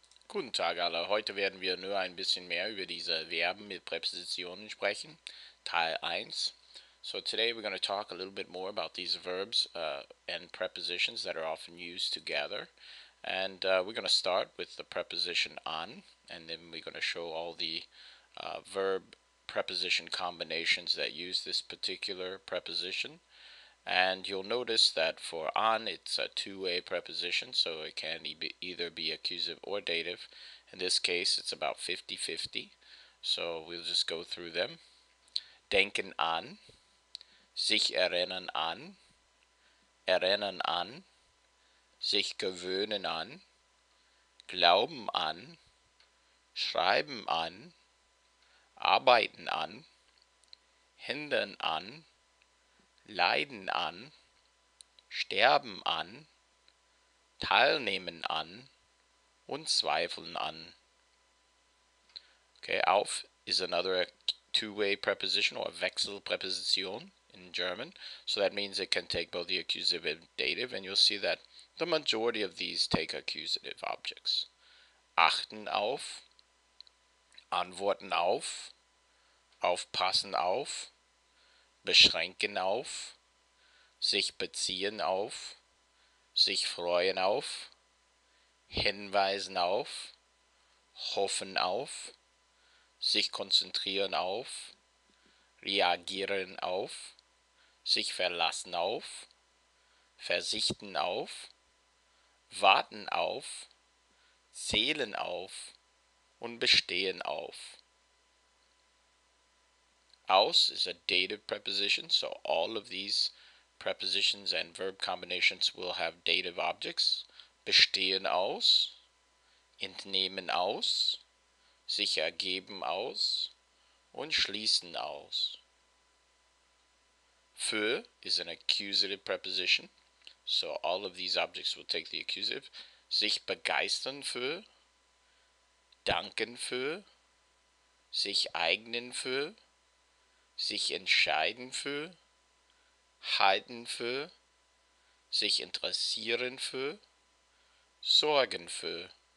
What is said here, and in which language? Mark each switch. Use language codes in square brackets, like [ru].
[de] Guten Tag alle, heute werden wir nur ein bisschen mehr über diese Verben mit Präpositionen sprechen, Teil 1. [en] So today we're going to talk a little bit more about these verbs and prepositions that are often used together. And we're going to start with the preposition an, and then we're going to show all the verb preposition combinations that use this particular preposition. And you'll notice that for an, it's a two-way preposition, so it can either be accusative or dative. In this case, it's about 50-50, so we'll just go through them. [de] Denken an, sich erinnern an, sich gewöhnen an, glauben an, schreiben an, arbeiten an, hindern an, leiden an, sterben an, teilnehmen an und zweifeln an. [en] Okay, auf is another two-way preposition or Wechselpräposition in German. So that means it can take both the accusative and dative, and you'll see that the majority of these take accusative objects. [de] Achten auf, antworten auf, aufpassen auf, beschränken auf, sich beziehen auf, sich freuen auf, hinweisen auf, hoffen auf, sich konzentrieren auf, reagieren auf, sich verlassen auf, verzichten auf, warten auf, zählen auf und bestehen auf. [en] Aus is a dative preposition, so all of these prepositions and verb combinations will have dative objects. [de] Bestehen aus, entnehmen aus, sich ergeben aus und schließen aus. [en] Für is an accusative preposition, so all of these objects will take the accusative. [de] Sich begeistern für, danken für, sich eignen für, sich entscheiden für, halten für, sich interessieren für, sorgen für.